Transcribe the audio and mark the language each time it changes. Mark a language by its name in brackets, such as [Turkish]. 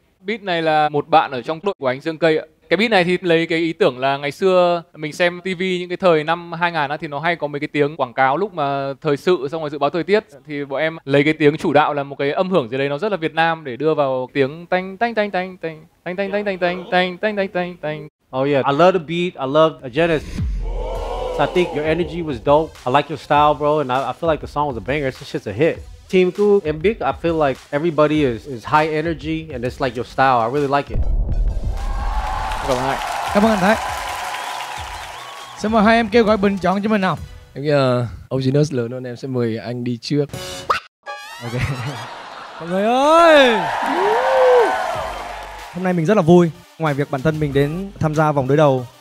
[Vietnamese] Beat này là một bạn ở trong đội của anh Dương Cây ạ. Cái beat này thì lấy cái ý tưởng là ngày xưa mình xem TV những cái thời năm 2000 á, thì nó hay có mấy cái tiếng quảng cáo lúc mà thời sự xong rồi dự báo thời tiết. Thì bọn em lấy cái tiếng chủ đạo là một cái âm hưởng gì đấy nó rất là Việt Nam để đưa vào tiếng tanh tanh tanh tanh tanh tanh tanh tanh tanh tanh tanh tanh tanh tanh tanh. [English] Oh yeah, I love the beat, I love the genesis. So I think your energy was dope, I like your style bro, and I feel like the song was a banger, it's just a hit. Team Ku and Big, I feel like everybody is high energy and it's like your style, I really like it. [Vietnamese] Cảm ơn anh Thái. Xin mời hai em kêu gọi bình chọn cho mình nào. Em nghĩ là Originus lớn hơn em sẽ mời anh đi trước. Ok. Mọi người ơi, hôm nay mình rất là vui. Ngoài việc bản thân mình đến tham gia vòng đối đầu